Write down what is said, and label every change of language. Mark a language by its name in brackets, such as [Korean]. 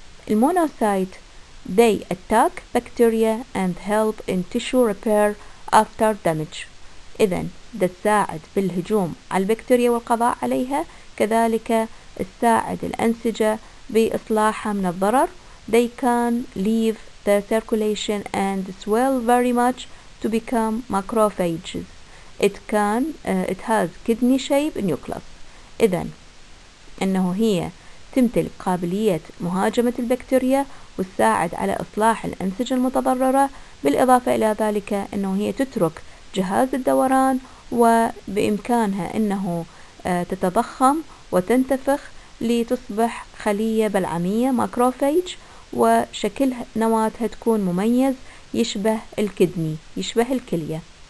[Arabic] المونوسايت [English] they attack bacteria and help in tissue repair after damage، [Arabic] إذن تساعد بالهجوم على البكتيريا والقضاء عليها، كذلك تساعد الأنسجة بإصلاحها من الضرر. [English] They can leave the circulation and swell very much to become macrophages. It has kidney shape nucleus. [Arabic] إذن إنه هي تمتلك قابلية مهاجمة البكتيريا وتساعد على إصلاح الأنسجة المتضررة، بالإضافة إلى ذلك أنه هي تترك جهاز الدوران وبإمكانها أنه تتضخم وتنتفخ لتصبح خلية بلعمية ماكروفيج، وشكل نواتها تكون مميز يشبه الكدني يشبه الكلية.